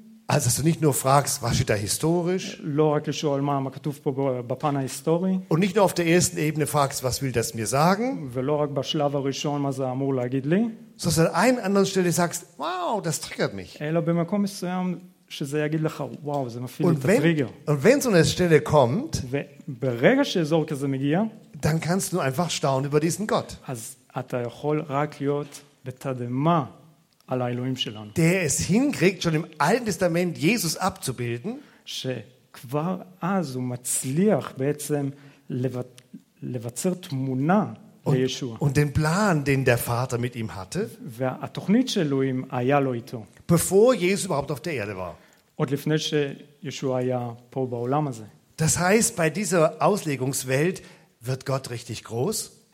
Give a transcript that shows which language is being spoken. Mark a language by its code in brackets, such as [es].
[de] Also dass du nicht nur fragst, was steht da historisch? [he] לא רק לשאול מה כתוב פה בפן ההיסטורי. [de] Und nicht nur auf der ersten Ebene fragst, was will das mir sagen? [he] ולא רק בשלב הראשון מה זה אמור להגיד לי. [de] Sondern an einer anderen Stelle sagst, wow, das triggert mich. [he] אלא במקום מסוים שזה יגיד לך, וואו, זה מפעיל את הטריגר. [de] Und wenn so eine Stelle kommt, [he] וברגע שאזור כזה מגיע, [de] dann kannst du einfach staunen über diesen Gott. [he] אז אתה יכול רק להיות בתדהמה. על האלוהים שלנו. [de] Der es hinkriegt, schon im Alten Testament Jesus abzubilden, [he] שכבר אז הוא מצליח בעצם לבצר תמונה לישוע. [de] Und den Plan, den der Vater mit ihm hatte, [he] והתוכנית שאלוהים היה לו איתו. [de] Bevor Jesus überhaupt auf der Erde war. [he] עוד לפני שישוע היה פה בעולם הזה. [de] Das heißt, bei dieser Auslegungswelt wird Gott richtig groß.